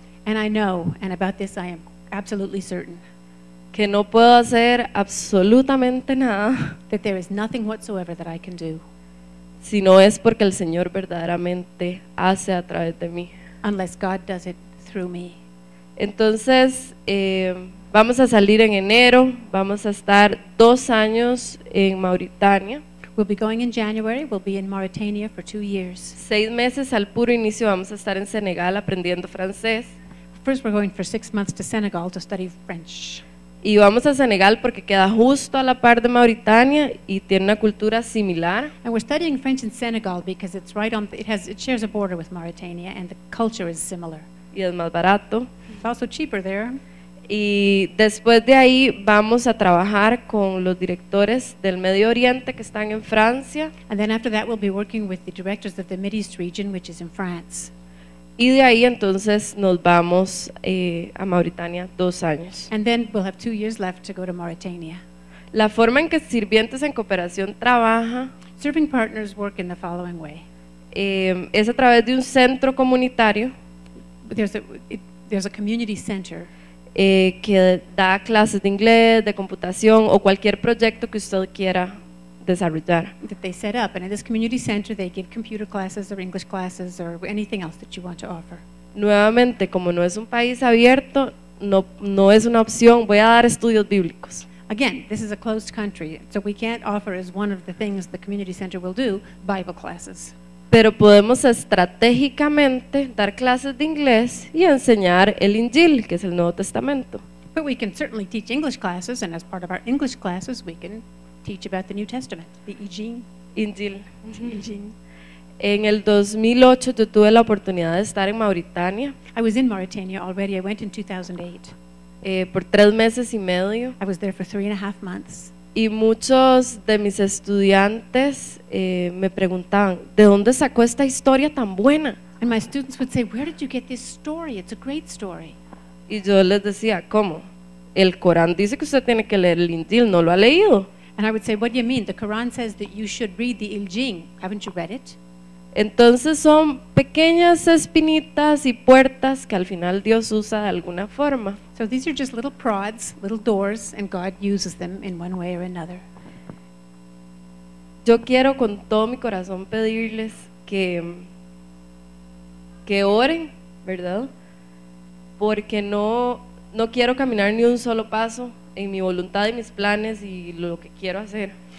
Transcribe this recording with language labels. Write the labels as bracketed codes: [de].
[en] And I know, and about this I am absolutely certain. [es] Que no puedo hacer absolutamente nada. [en] That there is nothing whatsoever that I can do. [es] Si no es porque el Señor verdaderamente hace a través de mí. [en] Unless God does it through me. [es] Entonces, vamos a salir en enero. Vamos a estar 2 años en Mauritania. [en] We'll be going in January, we'll be in Mauritania for 2 years. [es] 6 meses al puro inicio vamos a estar en Senegal aprendiendo francés. [en] First we're going for 6 months to Senegal to study French. [es] Y vamos a Senegal porque queda justo a la par de Mauritania y tiene una cultura similar. [en] And we're studying French in Senegal because it's right on, it shares a border with Mauritania and the culture is similar. [es] Y es más barato. [en] It's also cheaper there. [es] Y después de ahí vamos a trabajar con los directores del Medio Oriente que están en Francia. [en] And then after that we'll be working with the directors of the Mideast region which is in France. [es] Y de ahí entonces nos vamos a Mauritania 2 años. [en] And then we'll have 2 years left to go to Mauritania. [es] La forma en que Sirvientes en Cooperación trabaja. [en] Serving Partners work in the following way. [es] Es a través de un centro comunitario. [en] There's a community center. [es] Que da clases de inglés, de computación o cualquier proyecto que usted quiera desarrollar. [en] That they set up, and in this community center they give computer classes or English classes or anything else that you want to offer. [es] Nuevamente, como no es un país abierto, no es una opción, voy a dar estudios bíblicos. [en] Again, this is a closed country, so we can't offer as one of the things the community center will do, Bible classes. [es] Pero podemos estratégicamente dar clases de inglés y enseñar el Injil, que es el Nuevo Testamento. [en] But we can certainly teach English classes, and as part of our English classes we can teach about the New Testament, the Injil. [es] En el 2008 yo tuve la oportunidad de estar en Mauritania. [en] I was in Mauritania already. I went in 2008. [es] Por 3 meses y medio. [en] I was there for 3.5 months. [es] Y muchos de mis estudiantes me preguntaban, ¿de dónde sacó esta historia tan buena? [en] And my students would say, where did you get this story? It's a great story. [es] Y yo les decía, ¿cómo? El Corán dice que usted tiene que leer el Injil, ¿no lo ha leído? [en] And I would say, what do you mean? The Quran says that you should read the Injil. Haven't you read it? [es] Entonces son pequeñas espinitas y puertas que al final Dios usa de alguna forma. [en] So these are just little prods, little doors, and God uses them in one way or another. [es] Yo quiero con todo mi corazón pedirles que oren, ¿verdad? Porque no quiero caminar ni un solo paso en mi voluntad y mis planes y lo que quiero hacer.